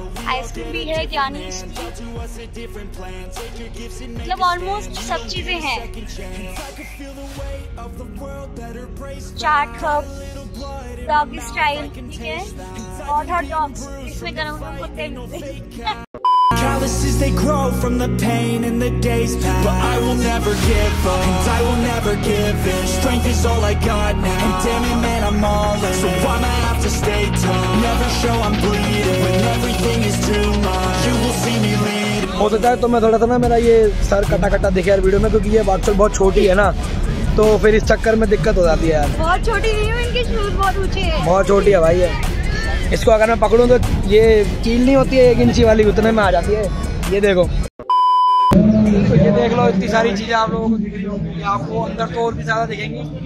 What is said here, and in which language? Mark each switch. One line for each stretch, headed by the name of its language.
Hindi: Ice cream भी है, ज्ञानी, मतलब ऑलमोस्ट सब चीजें हैं. चाट कप, डॉगी स्टाइल, ठीक है, और हॉट डॉग्स इसमें करूंगा कुत्ते.
English: Calluses, they grow from the pain and the days past. But I will never give up, and I will never give in. Strength is all I got now, and damn it, man, I'm all in. So I'ma have to stay tough, never show I'm bleeding. When everything is too much, you will see me leave.
Hindi: हो सकता है तो मैं थोड़ा सा ना मेरा ये सर कटा कटा दिखे यार वीडियो में, क्योंकि ये बॉक्सर बहुत छोटी है ना, तो फिर इस चक्कर में दिक्कत हो जाती है यार. बहुत छोटी नहीं है, इनके शूज बहुत ऊंचे हैं. बहुत छोटी है भाई, है इसको अगर मैं पकड़ूं तो ये कील नहीं होती है, एक इंची वाली उतने में आ जाती है. ये देखो, ये देख लो इतनी सारी चीजें आप लोगों को दिख रही होंगी, आपको अंदर तो और भी ज्यादा दिखेंगी.